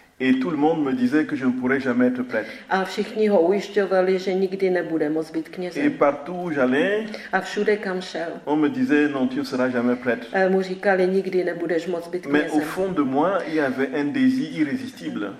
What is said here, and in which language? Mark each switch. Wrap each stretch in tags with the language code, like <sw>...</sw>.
<fr>Et tout le monde me disait que je ne pourrais jamais être prêtre.</fr> <cs>A všichni ho ujišťovali, že nikdy nebude moct být knězem.</cs> <fr>Et partout où j'allais,</fr> <cs>a všude kam šel,</cs> <fr>on me disait non, tu ne seras jamais prêtre.</fr> <cs>Mu říkali, nikdy nebudeš moct být knězem.</cs> <fr>Mais au fond de moi, il y avait un désir irrésistible.</fr>